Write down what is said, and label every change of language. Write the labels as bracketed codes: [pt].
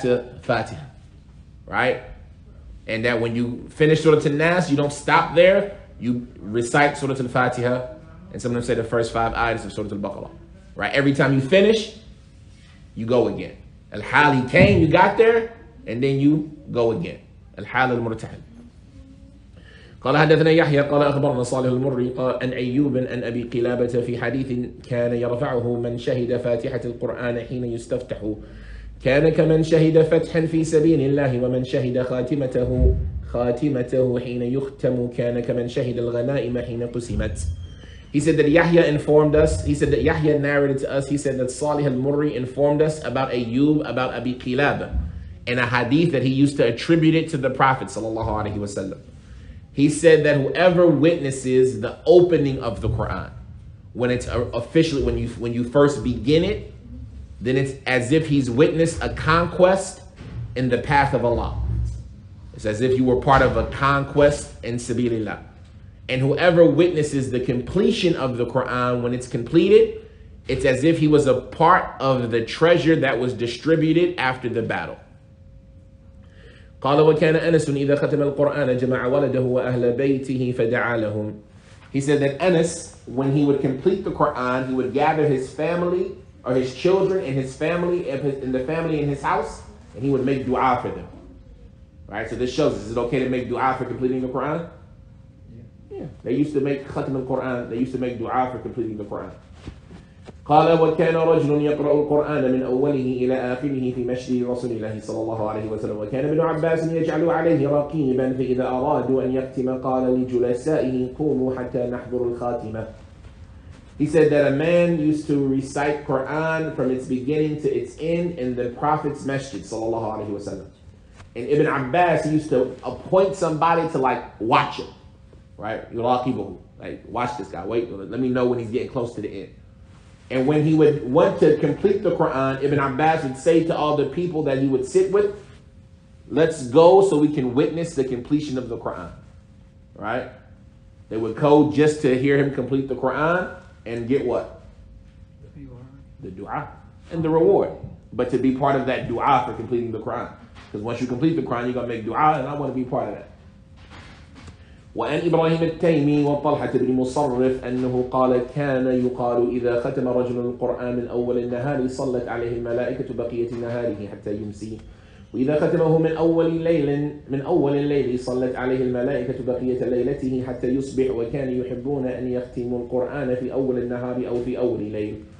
[en] to Fatiha, right? And that when you finish Surah An-Nas, you don't stop there, you recite Surah Al-Fatiha, and some of them say the first five ayahs of Surah Al-Baqarah. Right? Every time you finish, you go again. Al-Hali came, you got there, and then you go again. Al-Hali al-Murtahil. [ar] قال حدثنا يحيى قال أخبرنا صالح المري أن أيوب أن أبي قلابة في حديث كان يرفعه من شهد فاتحة القرآن حين يستفتح كان كمن شهد فتحا في سبيل الله ومن شهد خاتمته حين يختم كان كمن شهد الغنائم حين قسمت. [en] He said that Yahya informed us, he said that Yahya narrated to us, he said that Salih al-Murri informed us about Ayyub, about Abi Qilaba, and a hadith that he used to attribute it to the Prophet sallallahu alayhi wa sallam. He said that whoever witnesses the opening of the Quran, when it's officially, when you first begin it, then it's as if he's witnessed a conquest in the path of Allah. It's as if you were part of a conquest in Sabilillah. And whoever witnesses the completion of the Quran when it's completed, it's as if he was a part of the treasure that was distributed after the battle. [ar] قال وكان أنس إذا ختم القرآن جمع ولده وأهل بيته فدعا لهم. [en] He said that Anas, when he would complete the Quran, he would gather his family or his children and his family and the family in his house, and he would make dua for them. Right. So this shows: is it okay to make dua for completing the Quran? Yeah. They used to make [ar] ختم القرآن. [en] They used to make dua for completing the Quran. [ar] قال وكان رجل يقرأ القرآن من أوله إلى آخره في مشي رسول الله صلى الله عليه وسلم وكان ابن عباس يجعل عليه رقيبا فإذا أرادوا أن يختم قال لجلسائه قوموا حتى نحضر الخاتمة. [en] He said that a man used to recite Quran from its beginning to its end in the Prophet's masjid [ar] صلى الله عليه وسلم. [en] And Ibn Abbas used to appoint somebody to like watch him, right? يراقبه, like watch this guy. Wait, let me know when he's getting close to the end. And when he would want to complete the Quran, Ibn Abbas would say to all the people that he would sit with, let's go so we can witness the completion of the Quran. Right? They would go just to hear him complete the Quran and get what? The dua and the reward. But to be part of that dua for completing the Quran. Because once you complete the Quran, you're going to make dua, and I want to be part of that. [ar] وأن إبراهيم التيمي وطلحة بن مصرف أنه قال كان يقال إذا ختم رجل القرآن من أول النهار صلت عليه الملائكة بقية نهاره حتى يمسي وإذا ختمه من أول ليل من أول الليل صلت عليه الملائكة بقية ليلته حتى يصبح وكان يحبون أن يختموا القرآن في أول النهار أو في أول ليل.